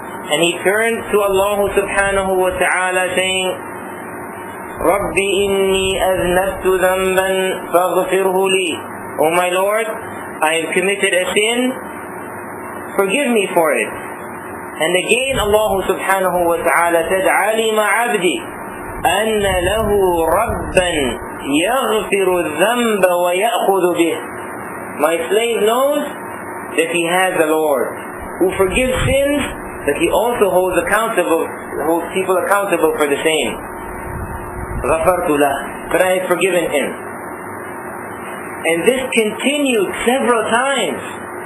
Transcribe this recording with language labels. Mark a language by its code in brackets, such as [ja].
[en] And he turned to Allah subhanahu wa ta'ala saying, [ar] Rabbi inni aznabtu dhanban faghfirhu li. [en] O my Lord, I have committed a sin, forgive me for it. And again Allah subhanahu wa ta'ala said, [ar] عَلِمَ عَبْدِي أَنَّ لَهُ رَبًّا يَغْفِرُ الذَّنْبَ وَيَأْخُذُ بِهِ. [en] My slave knows that he has a Lord who forgives sins, but he also holds accountable, holds people accountable for the same. [ar] غَفَرْتُ لَهُ, [en] but I have forgiven him. And this continued several times.